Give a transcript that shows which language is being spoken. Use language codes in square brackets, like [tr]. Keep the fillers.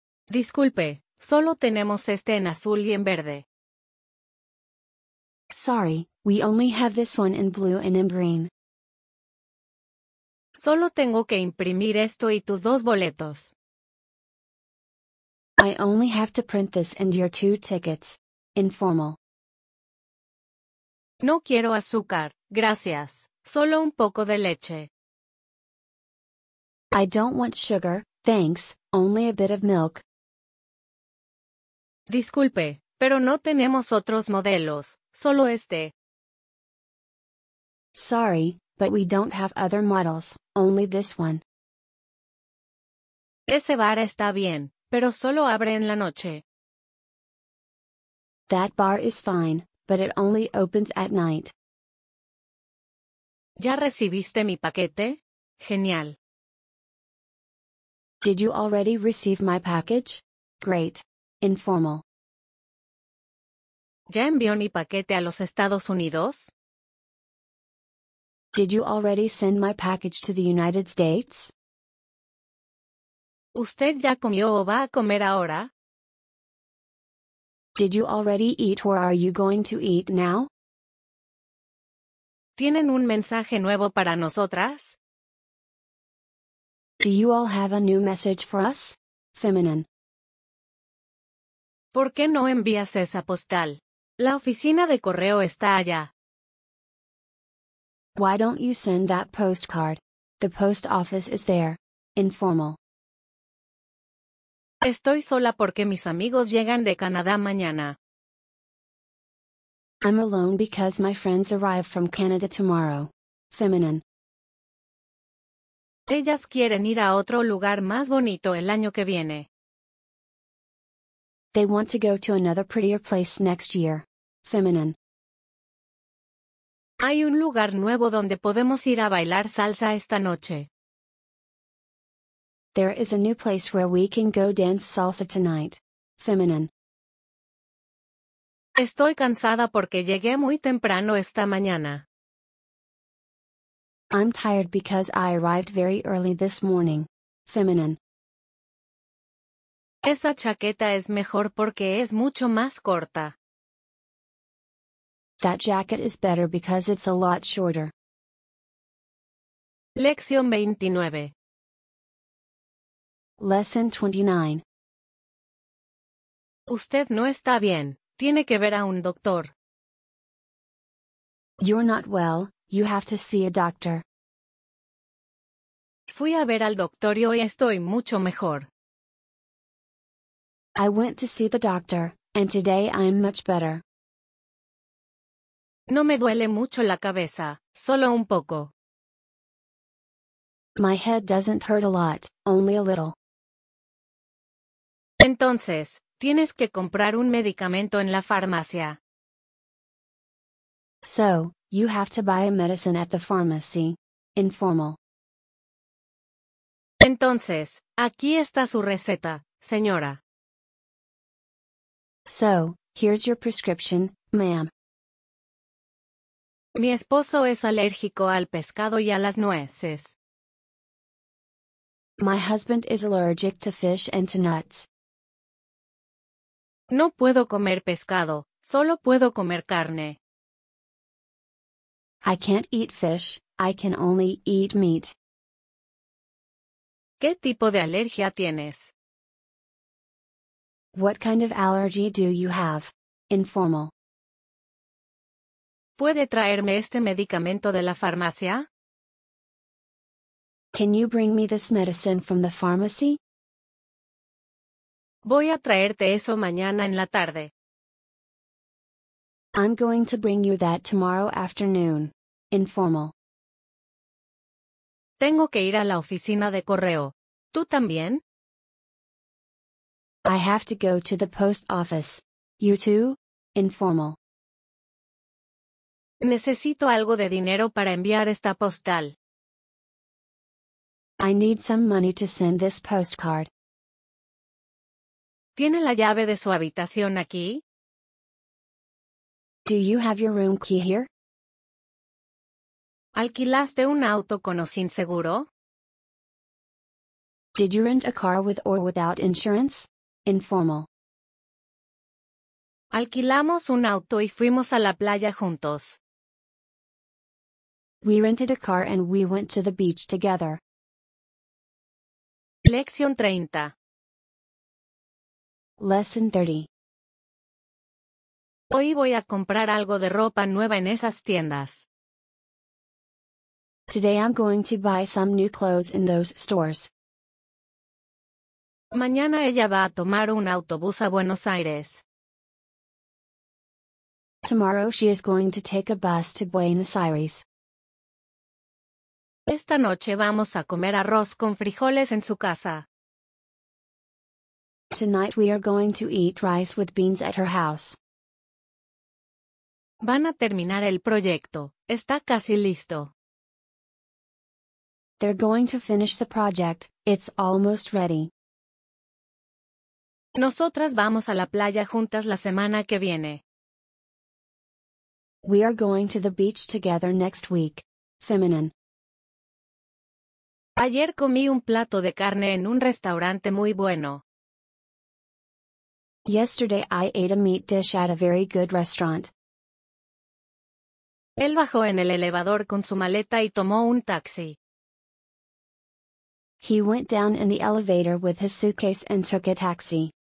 [es] Disculpe, solo tenemos este en azul y en verde. [en] Sorry, we only have this one in blue and in green. [es] Solo tengo que imprimir esto y tus dos boletos. [en] I only have to print this and your two tickets. Informal. [es] No quiero azúcar, gracias. Solo un poco de leche. [en] I don't want sugar, thanks. Only a bit of milk. [es] Disculpe, pero no tenemos otros modelos, solo este. [en] Sorry, but we don't have other models, only this one. [es] Ese bar está bien, pero solo abre en la noche. [en] That bar is fine, but it only opens at night. [es] ¿Ya recibiste mi paquete? Genial. [en] Did you already receive my package? Great. Informal. [es] ¿Ya envió mi paquete a los Estados Unidos? [en] Did you already send my package to the United States? [es] ¿Usted ya comió o va a comer ahora? [en] Did you already eat or are you going to eat now? [es] ¿Tienen un mensaje nuevo para nosotras? [en] Do you all have a new message for us? Feminine. [es] ¿Por qué no envías esa postal? La oficina de correo está allá. [en] Why don't you send that postcard? The post office is there. Informal. [es] Estoy sola porque mis amigos llegan de Canadá mañana. [en] I'm alone because my friends arrive from Canada tomorrow. Feminine. [es] Ellas quieren ir a otro lugar más bonito el año que viene. [en] They want to go to another prettier place next year. Feminine. [es] Hay un lugar nuevo donde podemos ir a bailar salsa esta noche. [en] There is a new place where we can go dance salsa tonight. Feminine. [es] Estoy cansada porque llegué muy temprano esta mañana. [en] I'm tired because I arrived very early this morning. Feminine. [es] Esa chaqueta es mejor porque es mucho más corta. [en] That jacket is better because it's a lot shorter. [es] Lección 29 [en] Lesson 29 [es] Usted no está bien. Tiene que ver a un doctor. [en] You're not well. You have to see a doctor. [es] Fui a ver al doctor y hoy estoy mucho mejor. [en] I went to see the doctor, and today I'm much better. [es] No me duele mucho la cabeza, solo un poco. [en] My head doesn't hurt a lot, only a little. [es] Entonces, tienes que comprar un medicamento en la farmacia. [en] So, you have to buy a medicine at the pharmacy. Informal. [es] Entonces, aquí está su receta, señora. [en] So, here's your prescription, ma'am. [es] Mi esposo es alérgico al pescado y a las nueces. [en] My husband is allergic to fish and to nuts. [es] No puedo comer pescado, solo puedo comer carne. [en] I can't eat fish, I can only eat meat. [es] ¿Qué tipo de alergia tienes? [en] What kind of allergy do you have? Informal. [es] ¿Puede traerme este medicamento de la farmacia? [en] Can you bring me this medicine from the pharmacy? [es] Voy a traerte eso mañana en la tarde. [en] I'm going to bring you that tomorrow afternoon. Informal. [es] Tengo que ir a la oficina de correo. ¿Tú también? [en] I have to go to the post office. You too? Informal. [es] Necesito algo de dinero para enviar esta postal. [en] I need some money to send this postcard. [es] ¿Tiene la llave de su habitación aquí? [en] Do you have your room key here? [es] ¿Alquilaste un auto con o sin seguro? [en] Did you rent a car with or without insurance? Informal. [es] Alquilamos un auto y fuimos a la playa juntos. [en] We rented a car and we went to the beach together. [es] Lección 30 [en] Lesson 30 [es] Hoy voy a comprar algo de ropa nueva en esas tiendas. [en] Today I'm going to buy some new clothes in those stores. [es] Mañana ella va a tomar un autobús a Buenos Aires. [en] Tomorrow she is going to take a bus to Buenos Aires. [es] Esta noche vamos a comer arroz con frijoles en su casa. [en] Tonight we are going to eat rice with beans at her house. [es] Van a terminar el proyecto. Está casi listo. [en] They're going to finish the project. It's almost ready. [es] Nosotras vamos a la playa juntas la semana que viene. [en] We are going to the beach together next week. Feminine. [es] Ayer comí un plato de carne en un restaurante muy bueno. [en] Yesterday I ate a meat dish at a very good restaurant. [es] Él bajó en el elevador con su maleta y tomó un taxi. [en] He went down in the elevator with his suitcase and took a taxi.